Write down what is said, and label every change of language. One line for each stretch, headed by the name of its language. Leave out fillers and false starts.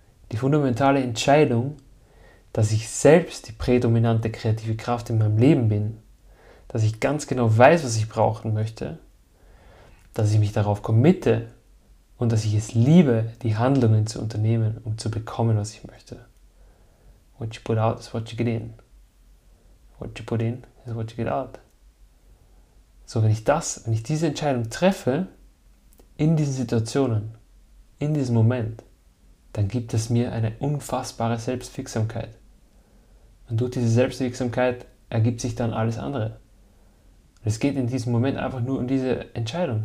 German: Die fundamentale Entscheidung, dass ich selbst die prädominante kreative Kraft in meinem Leben bin, dass ich ganz genau weiß, was ich brauchen möchte, dass ich mich darauf committe und dass ich es liebe, die Handlungen zu unternehmen, um zu bekommen, was ich möchte.
English: What you put out is what you get in. What you put in is what you get out.
German: So, wenn ich diese Entscheidung treffe, in diesen Situationen, in diesem Moment, dann gibt es mir eine unfassbare Selbstwirksamkeit. Und durch diese Selbstwirksamkeit ergibt sich dann alles andere. Und es geht in diesem Moment einfach nur um diese Entscheidung.